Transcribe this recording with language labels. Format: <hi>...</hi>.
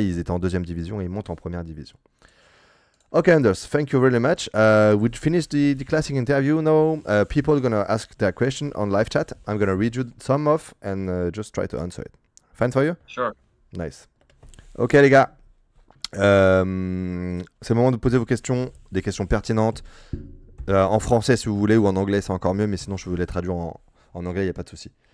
<fr>Ils étaient en deuxième division et ils montent en première division.</fr> <en>Ok, Anders, thank you very much. We finished the classic interview now. People are gonna ask their question on live chat. I'm gonna read you some of and just try to answer it. Fine for you? Sure. Nice.</en> <fr>Ok les gars, c'est le moment de poser vos questions, des questions pertinentes, en français si vous voulez, ou en anglais c'est encore mieux, mais sinon je vous les traduis en anglais, il n'y a pas de souci.</fr>